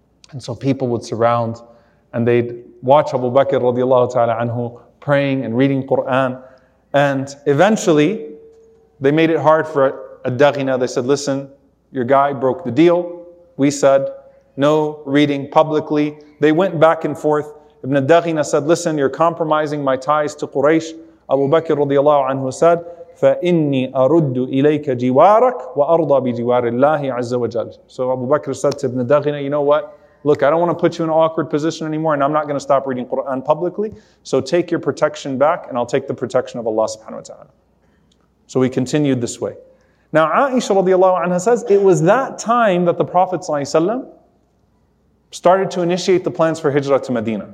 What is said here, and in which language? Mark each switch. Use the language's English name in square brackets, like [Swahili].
[English] And so people would surround and they'd watch Abu Bakr radiallahu ta'ala anhu praying and reading Qur'an. And eventually, they made it hard for Ad-Daghina. They said, listen, your guy broke the deal. We said, no reading publicly. They went back and forth. Ibn Ad-Daghina said, listen, you're compromising my ties to Quraysh. Abu Bakr radiallahu anhu said, [Arabic] فَإِنِّي أَرُدُّ إِلَيْكَ جِوَارَكَ وَأَرْضَى بِجِوَارِ اللَّهِ عَزَّ وَجَلَّ. [English] So Abu Bakr said to Ibn Ad-Daghina, you know what? Look, I don't want to put you in an awkward position anymore, and I'm not going to stop reading Qur'an publicly. So take your protection back, and I'll take the protection of Allah subhanahu wa ta'ala. So we continued this way. Now Aisha radiallahu anha says, it was that time that the Prophet started to initiate the plans for hijrah to Medina.